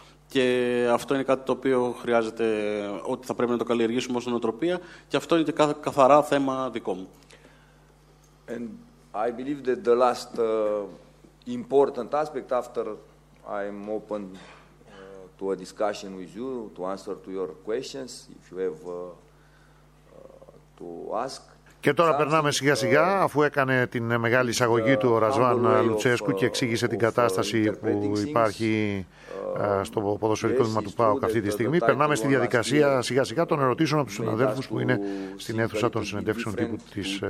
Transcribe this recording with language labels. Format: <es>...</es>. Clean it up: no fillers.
<el>Και αυτό είναι κάτι το οποίο χρειάζεται, ότι θα πρέπει να το καλλιεργήσουμε ως νοοτροπία, και αυτό είναι και καθαρά θέμα δικό μου.</el> <en>And I believe that the last important aspect, after I'm open to a discussion with you, to answer to your questions, if you have to ask.</en> <el>Και τώρα περνάμε σιγά σιγά, αφού έκανε την μεγάλη εισαγωγή του ο Ρασβάν Λουτσέσκου και εξήγησε την κατάσταση που υπάρχει στο ποδοσφαιρικό τμήμα του ΠΑΟΚ αυτή τη στιγμή. Περνάμε στη διαδικασία σιγά σιγά των ερωτήσεων από τους συναδέλφους που είναι στην αίθουσα των συνεντεύξεων τύπου της</el>